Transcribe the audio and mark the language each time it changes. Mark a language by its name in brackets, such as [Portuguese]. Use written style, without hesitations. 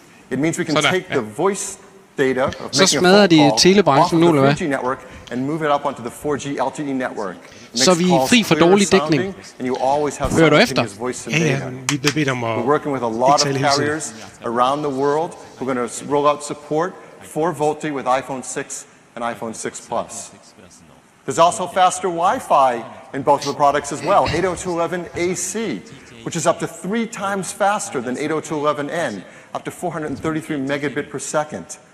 [English] It means we can take the voice data of making a call off the 4G network and move it up onto the 4G LTE network. [Danish] Så vi er fri for dårlig dækning. Hører du efter? Ja, ja. Vi bliver bedt om at ikke tale hele tiden. [English] Around the world, we're going to roll out support for VoLTE with iPhone 6 and iPhone 6 Plus. There's also faster Wi-Fi in both of the products as well, 802.11ac, which is up to 3 times faster than 802.11n, up to 433 megabit per second.